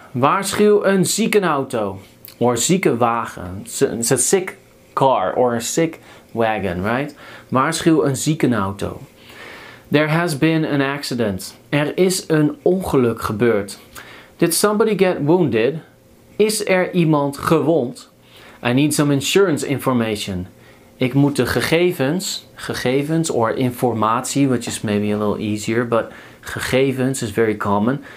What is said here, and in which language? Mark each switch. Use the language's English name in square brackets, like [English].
[Dutch] Waarschuw een ziekenauto. [English] Or ziekenwagen. It's a sick car or a sick wagon, right? [Dutch] Waarschuw een ziekenauto. [English] There has been an accident. [Dutch] Er is een ongeluk gebeurd. [English] Did somebody get wounded? [Dutch] Is er iemand gewond? [English] I need some insurance information. [Dutch] Ik moet de gegevens [English] or informatie, which is maybe a little easier, but gegevens is very common.